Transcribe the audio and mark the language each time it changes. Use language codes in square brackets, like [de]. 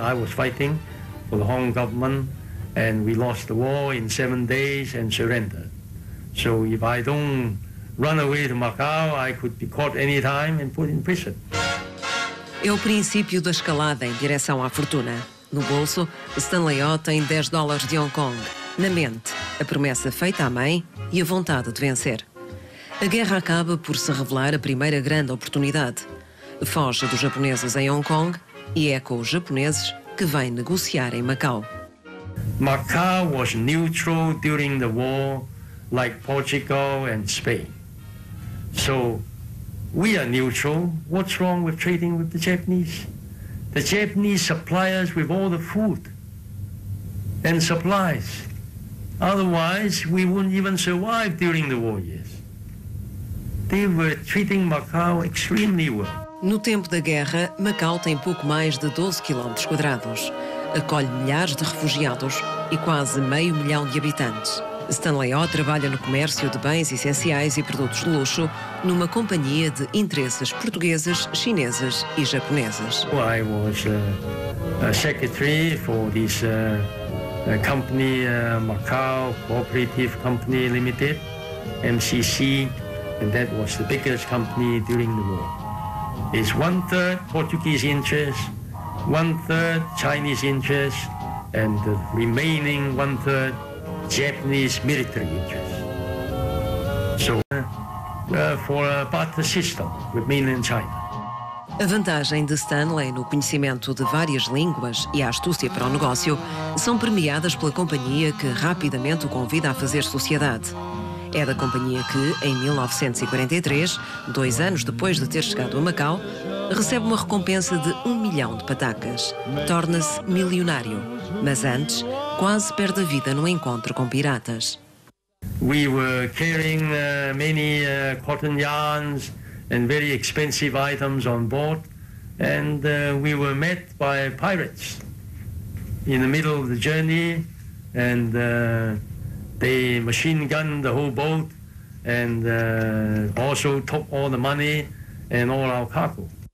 [en] I was fighting for the Hong Kong government, and we lost the war in 7 days and surrendered. So if I don't run away to Macau, I could be caught any time and put in prison. [pt] É o princípio da escalada em direção à fortuna. No bolso, Stanley O tem 10 dólares de Hong Kong. Na mente, a promessa feita à mãe e a vontade de vencer. A guerra acaba por se revelar a primeira grande oportunidade. Foge dos japoneses em Hong Kong e é com os japoneses que vem negociar em Macau. [en] Macau was neutral during the war, like Portugal and Spain. So, we are neutral. What's wrong with trading with the Japanese? The Japanese supply us with all the food and supplies. Otherwise, we wouldn't even survive during the war years. They were treating Macau extremely well. [pt] No tempo da guerra, Macau tem pouco mais de 12 quilómetros quadrados. Acolhe milhares de refugiados e quase meio milhão de habitantes. Stanley Ho trabalha no comércio de bens essenciais e produtos de luxo numa companhia de interesses portuguesas, chinesas e japonesas. [en] I was a secretary for this company, Macau Cooperative Company Limited, MCC, and that was the biggest company during the war. It's one third Portuguese interest, one third Chinese interest, and the remaining one third Japanese military interest. So, for a barter system with mainland China. [pt] A vantagem de Stanley no conhecimento de várias línguas e a astúcia para o negócio são premiadas pela companhia que rapidamente o convida a fazer sociedade. É da companhia que, em 1943, dois anos depois de ter chegado a Macau, recebe uma recompensa de 1 milhão de patacas. Torna-se milionário, mas antes quase perde a vida num encontro com piratas. [en] We were carrying many cotton yarns and very expensive items on board, and we were met by pirates in the middle of the journey, and they machine-gunned the whole boat and also took all the money and all our cargo.